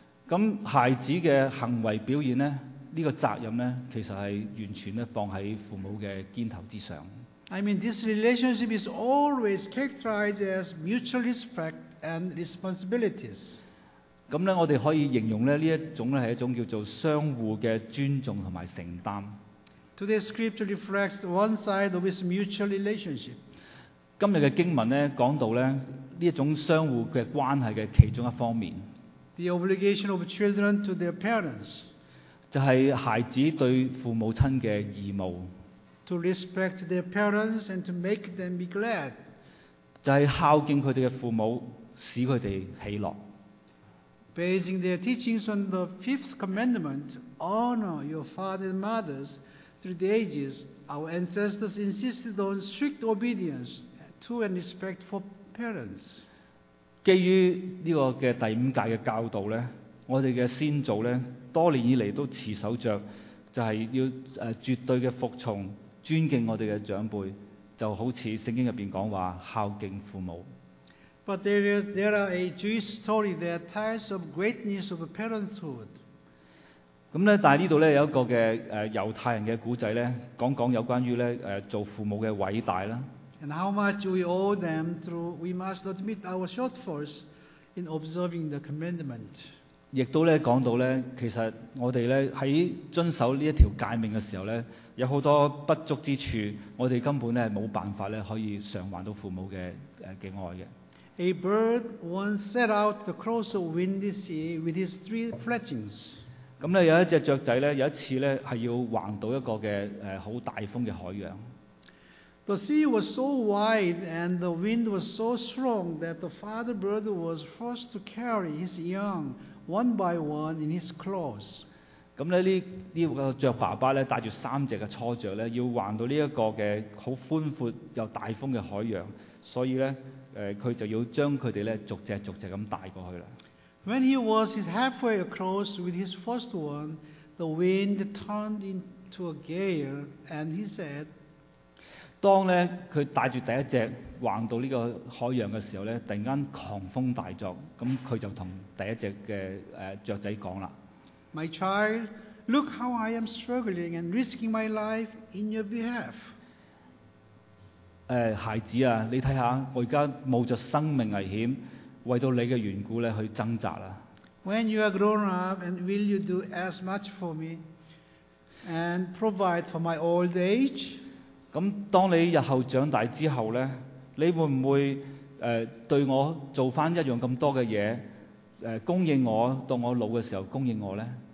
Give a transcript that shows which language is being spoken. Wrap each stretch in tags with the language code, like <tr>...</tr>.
<yue>咁孩子嘅行为表现咧，呢个责任咧，其实系完全咧放喺父母嘅肩头之上。</yue> <en>I mean, this relationship is always characterized as mutual respect and responsibilities.</en> <yue>咁咧，我哋可以形容咧呢一种咧系一种叫做相互嘅尊重同埋承担。</yue> <en>Today's scripture reflects one side of this mutual relationship.</en> <yue>今日嘅经文咧，讲到咧呢一种相互嘅关系嘅其中一方面。</yue> <en>The obligation of children to their parents.</en> <yue>就系孩子对父母亲嘅义务。</yue> <en>To respect their parents and to make them be glad.</en> <yue>就系孝敬佢哋嘅父母，使佢哋喜乐。</yue> <en>Basing their teachings on the fifth commandment, honor your father and mothers. Through the ages, our ancestors insisted on strict obedience to and respect for parents.</en> <yue>基于呢个嘅第五诫嘅教导咧，我哋嘅先祖咧，多年以嚟都持守着，就系要绝对嘅服从、尊敬我哋嘅长辈，就好似圣经入边讲话孝敬父母。</yue> <en>But there are a Jewish story that tells of greatness of parenthood.</en> <yue>咁咧，但系呢度咧有一个嘅犹太人嘅古仔咧，讲讲有关于咧做父母嘅伟大啦。</yue> <en>And how much we owe them through, we must admit our shortfalls in observing the commandment.</en> <yue>亦都咧讲到咧，其实我哋咧喺遵守呢一条诫命嘅时候咧，有好多不足之处，我哋根本咧冇办法咧可以偿还到父母嘅爱嘅。</yue> <en>A bird once set out across a windy sea with his three fledglings.</en> <yue>咁咧有一隻雀仔咧，有一次咧係要橫渡一個嘅好大風嘅海洋。</yue> <en>The sea was so wide and the wind was so strong that the father bird was forced to carry his young one by one in his claws。</en> <yue>咁咧呢個雀爸爸咧帶住三隻嘅初雀咧，要橫到呢一個嘅好寬闊又大風嘅海洋，所以咧佢就要將佢哋咧逐隻逐隻咁帶過去啦。</yue> <en>When he was halfway across with his first one, the wind turned into a gale, and he said,</en> <yue>當咧佢帶住第一隻橫到呢個海洋嘅時候咧，突然間狂風大作，咁佢就同第一隻嘅雀仔講啦。</yue> <en>My child, look how I am struggling and risking my life in your behalf.</en> <yue>孩子啊，你睇下，我而家冒着生命危險，為到你嘅緣故咧去掙扎啦。</yue> <en>When you are grown up, and will you do as much for me and provide for my old age?</en> <yue>咁當你日後長大之後咧，你會唔會對我做翻一樣咁多嘅嘢？供應我，到我老嘅時候供應我呢？</yue>